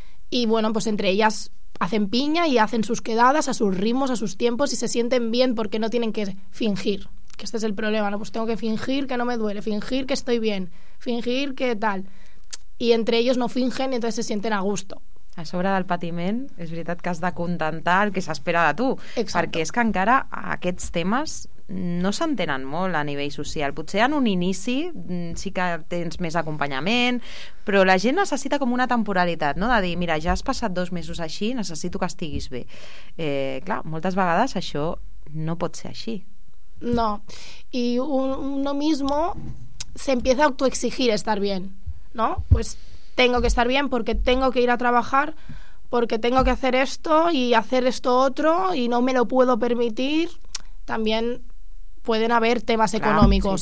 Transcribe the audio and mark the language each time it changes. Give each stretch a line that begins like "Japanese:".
Spanish: Y bueno, pues entre ellas hacen piña y hacen sus quedadas a sus ritmos, a sus tiempos, y se sienten bien porque no tienen que fingir, que este es el problema, ¿no? Pues tengo que fingir que no me duele, fingir que estoy bien, fingir que tal. Y entre ellos no fingen y entonces se sienten a gusto.
Catalan: A sobre del patiment, és veritat que has de contentar el que s'espera de tu. Exacto. Perquè és que encara aquests temes no s'entenen molt a nivell social. Potser en un inici sí que tens més acompanyament, però la gent necessita com una temporalitat, no? De dir, mira, ja has passat 2 mesos així, necessito que estiguis bé. Clar, moltes vegades això no pot ser així. No. I
Spanish: uno mismo se empieza a autoexigir estar bien. ¿No? Pues tengo que estar bien porque tengo que ir a trabajar, porque tengo que hacer esto y hacer esto otro y no me lo puedo permitir. También pueden haber temas económicos.